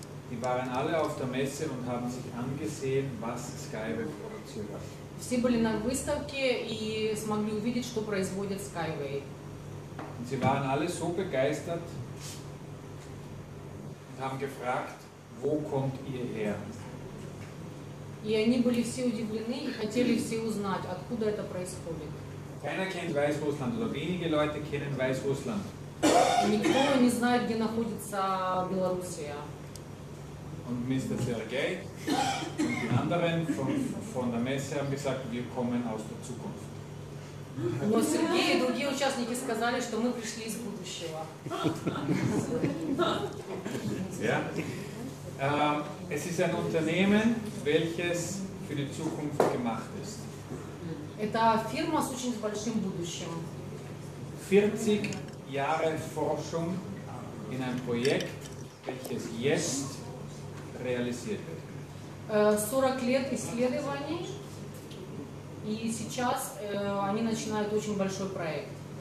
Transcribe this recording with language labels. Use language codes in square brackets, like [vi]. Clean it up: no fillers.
[de] Die waren alle auf der Messe und haben sich angesehen, was Skyway produziert hat. [ru] Все были на выставке и смогли увидеть, что производит Skyway. [de] Und sie waren alle so begeistert und haben gefragt, wo kommt ihr her? [ru] И они были все удивлены и хотели все узнать, откуда это происходит. [de] Keiner kennt Weißrussland oder wenige Leute kennen Weißrussland. [ru] Никто не знает, где находится Белоруссия. [de] Und Mr. Sergei und die anderen von der Messe haben gesagt, wir kommen aus der Zukunft. [ru] Но Сергей и другие участники сказали, что мы пришли из будущего. [de] Ja. Es ist ein Unternehmen, welches für die Zukunft gemacht ist. [ru] Это фирма с очень большим будущим. [de] 40 Jahre Forschung in einem Projekt, welches jetzt realisiert wird. [ru] 40 лет исследований и сейчас они начинают очень большой проект.